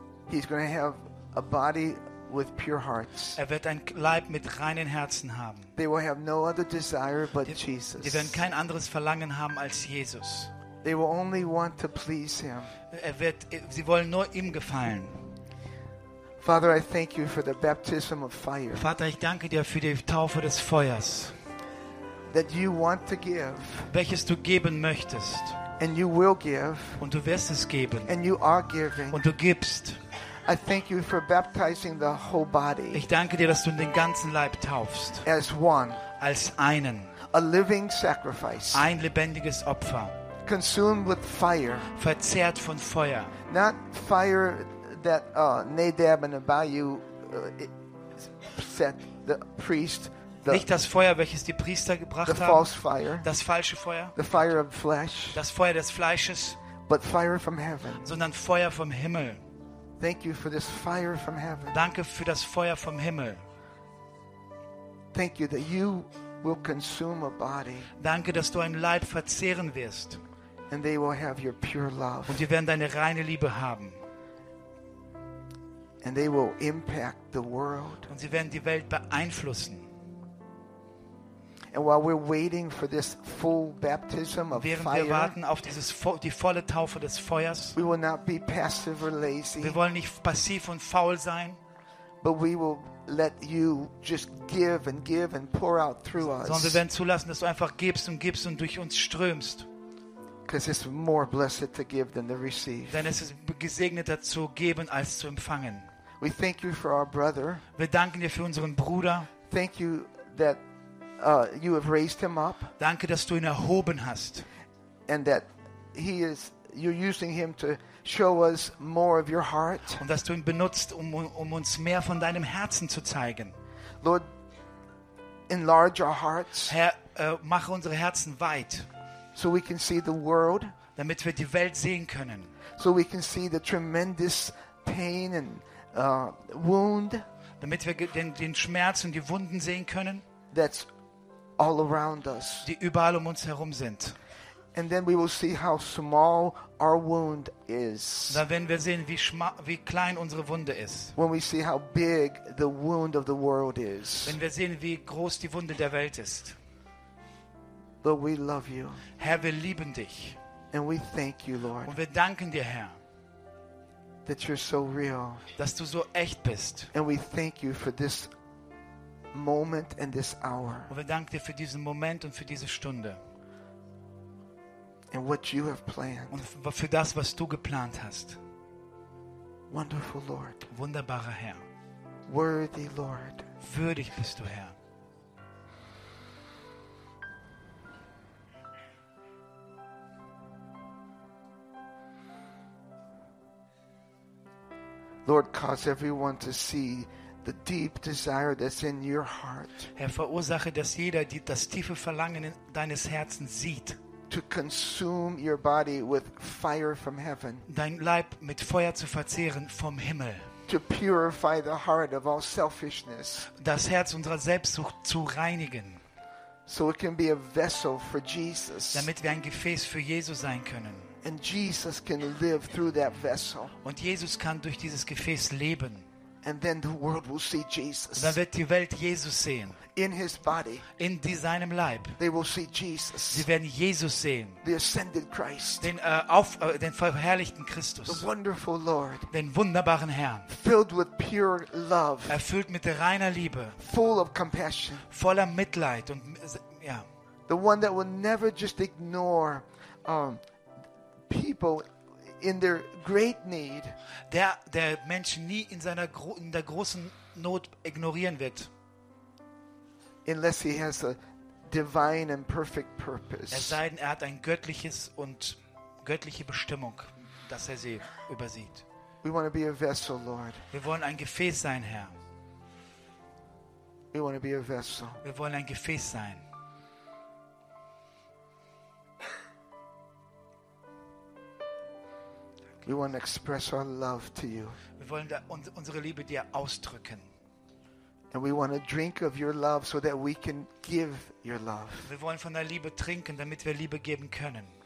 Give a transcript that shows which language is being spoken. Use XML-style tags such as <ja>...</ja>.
<en>He's going to have a body with pure hearts.</en> <de>Er wird ein Leib mit reinen Herzen haben.</de> <en>They will have no other desire but Jesus.</en> <de>Sie werden kein anderes Verlangen haben als Jesus.</de> <en>They will only want to please him.</en> <de>Sie wollen nur ihm gefallen.</de> <en>Father, I thank you for the baptism of fire.</en> <de>Vater, ich danke dir für die Taufe des Feuers.</de> <en>That you want to give.</en> <de>Welches du geben möchtest.</de> <en>And you will give.</en> <de>Und du wirst es geben.</de> <en>And you are giving.</en> <de>Und du gibst.</de> <en>I thank you for baptizing the whole body.</en> <de>Ich danke dir, dass du den ganzen Leib taufst.</de> <en>As one.</en> <de>Als einen.</de> <en>A living sacrifice.</en> <de>Ein lebendiges Opfer.</de> <en>Consumed with fire.</en> <de>Verzehrt von Feuer.</de> <en>Not fire that Nadab and Abihu set the priest.</en> <de>Nicht das Feuer, welches die Priester gebracht haben.</de> <en>The false fire.</en> <de>Das falsche Feuer.</de> <en>The fire of flesh.</en> <de>Das Feuer des Fleisches.</de> <en>But fire from heaven.</en> <de>Sondern Feuer vom Himmel.</de> <en>Thank you for this fire from heaven.</en> <de>Danke für das Feuer vom Himmel.</de> <en>Thank you that you will consume a body.</en> <de>Danke, dass du ein Leib verzehren wirst.</de> <en>And they will have your pure love.</en> <de>Und sie werden deine reine Liebe haben.</de> <en>And they will impact the world.</en> <de>Und sie werden die Welt beeinflussen.</de> <en>And while we're waiting for this full baptism of</en> <de>während</de> <en>fire,</en> <de>wir warten auf dieses die volle Taufe des Feuers,</de> <en>we will not be passive or lazy.</en> <de>Wir wollen nicht passiv und faul sein.</de> <en>But we will let you just give and give and pour out through us.</en> <de>Sondern wir werden zulassen, dass du einfach gibst und durch uns strömst.</de> <en>Because it's more blessed to give than to receive.</en> <de>Denn es ist gesegneter zu geben als zu empfangen.</de> <en>We thank you for our brother.</en> <de>Wir danken dir für unseren Bruder.</de> <en>Thank you that you have raised him up.</en> <de>Danke, dass du ihn erhoben hast.</de> <en>And that he is you're using him to show us more of your heart.</en> <de>Und dass du ihn benutzt, um uns mehr von deinem Herzen zu zeigen.</de> <en>Lord, enlarge our hearts.</en> <de>Herr, mache unsere Herzen weit.</de> <en>So we can see the world.</en> <de>Damit wir die Welt sehen können.</de> <en>So we can see the tremendous pain and wound.</en> <de>Damit wir den Schmerz und die Wunden sehen können.</de> <en>That's all around us.</en> <de>Die überall um uns herum sind.</de> <en>And then we will see how small our wound is.</en> <de>Dann werden wir sehen, wie klein unsere Wunde ist.</de> <en>When we see how big the wound of the world is.</en> <de>Wenn wir sehen, wie groß die Wunde der Welt ist.</de> <en>Lord, we love you.</en> <de>Herr, wir lieben dich.</de> <en>And we thank you, Lord.</en> <de>Und wir danken dir, Herr.</de> <en>That you're so real.</en> <de>Dass du so echt bist.</de> <en>And we thank you for this moment and this hour.</en> <de>Und wir danken dir für diesen Moment und für diese Stunde.</de> <en>And what you have planned.</en> <de>Und für das, was du geplant hast.</de> <en>Wonderful Lord.</en> <de>Wunderbarer Herr.</de> <en>Worthy Lord.</en> <de>Würdig bist du, Herr.</de> <en>Lord, cause everyone to see the deep desire that's in your heart.</en> <de>Herr, verursache, dass jeder das tiefe Verlangen in deines Herzens sieht.</de> <en>To consume your body with fire from heaven.</en> <de>Dein Leib mit Feuer zu verzehren vom Himmel.</de> <en>To purify the heart of all selfishness.</en> <de>Das Herz unserer Selbstsucht zu reinigen.</de> <en>So it can be a vessel for Jesus.</en> <de>Damit wir ein Gefäß für Jesus sein können.</de> <en>And Jesus can live through that vessel.</en> <de>Und Jesus kann durch dieses Gefäß leben.</de> <en>And then the world will see Jesus.</en> <de>Dann wird die Welt Jesus sehen.</de> <en>In his body.</en> <de>In seinem Leib.</de> <en>They will see Jesus.</en> <de>Sie werden Jesus sehen.</de> <en>The ascended Christ.</en> <de>Den verherrlichten Christus.</de> <en>The wonderful Lord.</en> <de>Den wunderbaren Herrn.</de> <en>Filled with pure love.</en> <de>Erfüllt mit reiner Liebe.</de> <en>Full of compassion.</en> <de>Voller Mitleid und ja.</de> <en>The one that will never just ignore people in their great need.</en> <de>Der Menschen nie in der großen Not ignorieren wird.</de> <en>Unless he has a divine and perfect purpose.</en> <de>Es sei denn, er hat ein göttliches und göttliche Bestimmung, dass er sie übersieht.</de> <en>We want to be a vessel, Lord.</en> <de>Wir wollen ein Gefäß sein, Herr.</de> <en>We want to be a vessel.</en> <de>Wir wollen ein Gefäß sein.</de> <en>We want to express our love to you.</en> <de>Wir wollen unsere Liebe dir ausdrücken.</de> <en>And we want to drink of your love so that we can give your love.</en> <de>Wir wollen von deiner Liebe trinken, damit wir Liebe geben können.</de>